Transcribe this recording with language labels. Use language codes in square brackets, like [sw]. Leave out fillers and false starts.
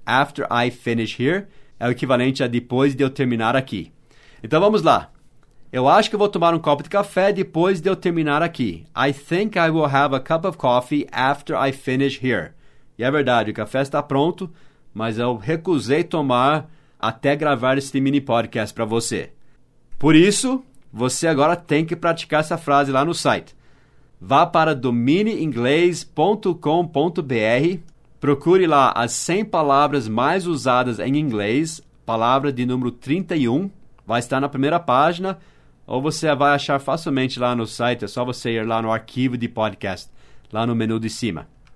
[en] After I finish here [pt] é o equivalente a depois de eu terminar aqui. Então, vamos lá. Eu acho que eu vou tomar um copo de café depois de eu terminar aqui. [en] I think I will have a cup of coffee after I finish here. [pt] E é verdade, o café está pronto, mas eu recusei tomar até gravar este mini podcast para você. Por isso, você agora tem que praticar essa frase lá no site. Vá para dominieingles.com.br, procure lá as 100 palavras mais usadas em inglês, palavra de número 31, vai estar na primeira página, ou você vai achar facilmente lá no site, é só você ir lá no arquivo de podcast, lá no menu de cima.